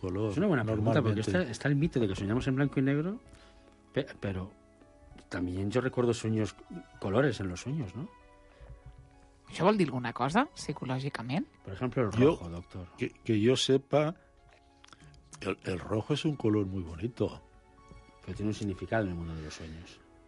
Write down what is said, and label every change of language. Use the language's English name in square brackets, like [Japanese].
[Spanish] Es una buena pregunta, porque está el mito de que soñamos en blanco y negro, pero también yo recuerdo sueños, colores en los sueños, ¿no? [Catalan] ¿Això vol dir alguna cosa, psicològicament? [Spanish] Por ejemplo, el rojo, doctor. Que yo sepa, El rojo es un color muy bonito. Pero tiene un significado en el mundo de los sueños.